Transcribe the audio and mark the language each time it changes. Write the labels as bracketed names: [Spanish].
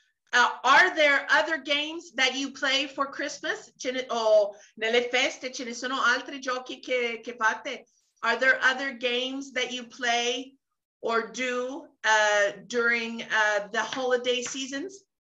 [English] Are there other games that you play for Christmas? [Italian] Nelle feste ce ne sono altri giochi che fate? [English] Are there other games that you play or do during the holiday seasons?